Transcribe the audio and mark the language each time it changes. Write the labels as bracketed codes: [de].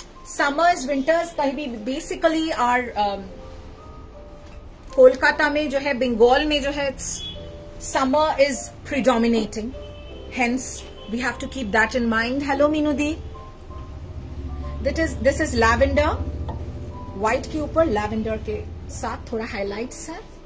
[hi] Summers, winters, कहीं भी basically our Kolkata में जो है बंगाल में जो है [en] summer is predominating. Hence, we have to keep that in mind. Hello, Minudi. This is lavender. [hi] White के ऊपर lavender के साथ थोड़ा highlights है.